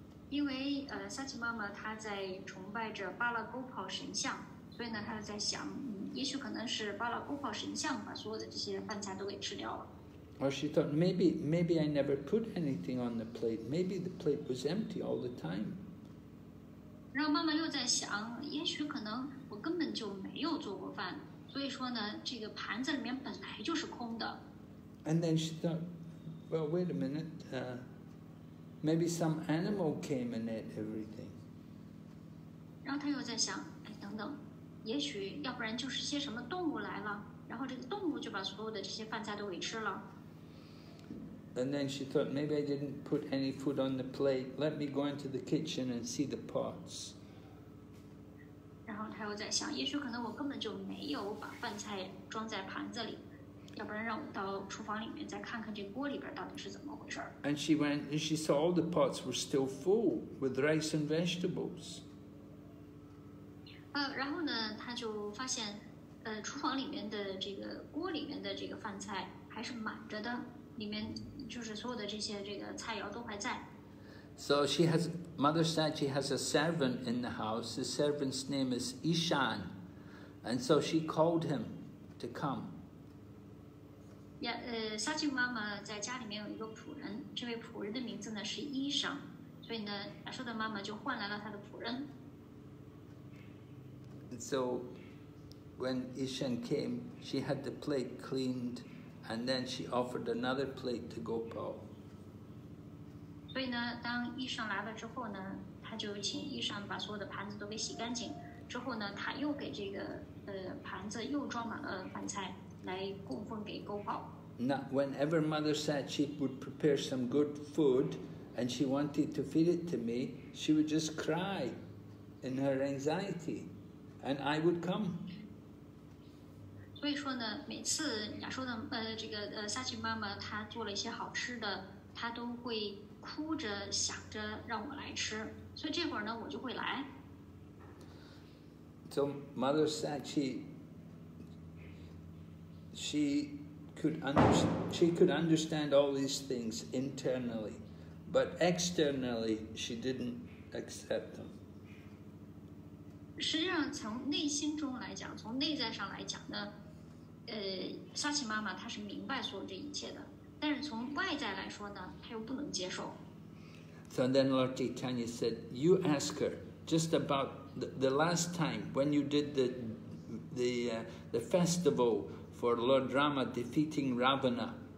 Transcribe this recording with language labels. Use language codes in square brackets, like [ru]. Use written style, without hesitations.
[zh] 因为萨吉妈妈她在崇拜着巴拉戈帕神像，所以呢，她在想，也许可能是巴拉戈帕神像把所有的这些饭菜都给吃掉了。 [en] Or she thought, maybe I never put anything on the plate. Maybe the plate was empty all the time. [zh] 然后妈妈又在想，也许可能我根本就没有做过饭，所以说呢，这个盘子里面本来就是空的。 [en] And then she thought, well, wait a minute. Maybe some animal came and ate everything. [zh] 然后她又在想，哎，等等，也许要不然就是些什么动物来了，然后这个动物就把所有的这些饭菜都给吃了。 [en] And then she thought, maybe I didn't put any food on the plate. Let me go into the kitchen and see the pots. [zh] 然后她又在想，也许可能我根本就没有把饭菜装在盘子里，要不然让我到厨房里面再看看这锅里边到底是怎么回事。 [en] And she went and she saw all the pots were still full with rice and vegetables. [zh] 然后呢，她就发现，厨房里面的这个锅里面的这个饭菜还是满着的。里面就是所有的这些这个菜肴都还在。 [en] So she has, mother said she has a servant in the house. The servant's name is Ishan. And so she called him to come. [zh] Yeah, Sachin 妈妈在家里面有一个仆人，这位仆人的名字呢是 Ishan。所以呢，亚瑟的妈妈就唤来了他的仆人。 [en] And so when Ishan came, she had the plate cleaned. And then she offered another plate to Gopal. So, when the [zh] 医生来了之后呢，他就请医生把所有的盘子都给洗干净。之后呢，他又给这个盘子又装满了饭菜来供奉给 Gopal. [en] Now, whenever mother said she would prepare some good food and she wanted to feed it to me, she would just cry in her anxiety, and I would come. [zh] 所以说呢，每次亚瑟的这个萨吉妈妈她做了一些好吃的，她都会哭着想着让我来吃，所以这会儿呢，我就会来。 [en] So mother said she could understand all these things internally, but externally she didn't accept them. [zh] 实际上，从内心中来讲，从内在上来讲呢。萨奇妈妈她是明白所有这一切的，但是从外在来说呢，她又不能接受。 [en] So then Lord Chaitanya said, "You ask her just about the last time when you did the festival for Lord Rama defeating Ravana.